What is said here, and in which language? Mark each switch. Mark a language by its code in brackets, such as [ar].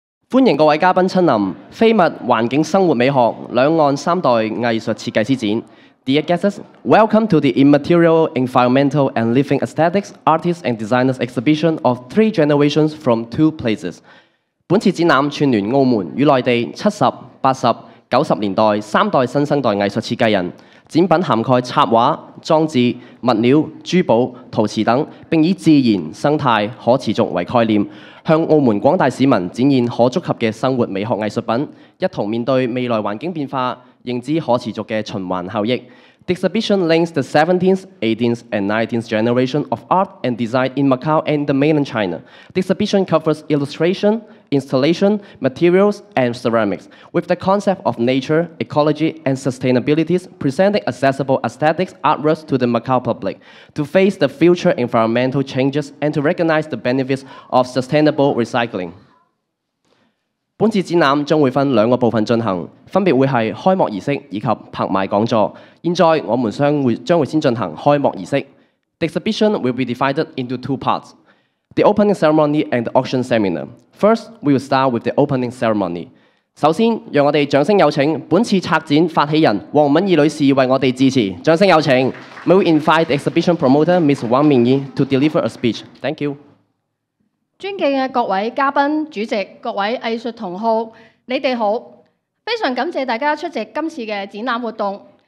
[zh] 歡迎各位嘉賓親臨非物環境生活美學兩岸三代藝術設計師展。 [en] Dear guests, welcome to the Immaterial, Environmental and Living Aesthetics Artists and Designers Exhibition of Three Generations from Two Places. [zh] 本次展覽串聯澳門與內地70、80、90年代三代新生代藝術設計人，展品涵蓋插畫、裝置、物料、珠寶、陶瓷等，並以自然、生態、可持續為概念，向澳門廣大市民展現可觸及的生活美學藝術品，一同面對未來環境變化，認知可持續的循環效益。 [en] The exhibition links the 17th, 18th and 19th generation of art and design in Macau and the mainland China. The exhibition covers illustration, installation, materials and ceramics with the concept of nature, ecology and sustainability presenting accessible aesthetics artworks to the Macau public to face the future environmental changes and to recognize the benefits of sustainable recycling. [zh] 本次展覽將會分兩個部分進行，分別會是開幕儀式以及拍賣講座。現在我們將會先進行開幕儀式。 [en] The exhibition will be divided into two parts, the opening ceremony and the auction seminar. First, we will start with the opening ceremony. [zh] 首先讓我們掌聲有請本次策展發起人黃敏儀女士為我們致辭，掌聲有請。 [en] We will invite the exhibition promoter Ms. Wang Mingyi to deliver a speech. Thank you. [zh] 尊敬的各位嘉賓、主席、各位藝術同好，你們好，非常感謝大家出席今次的展覽活動。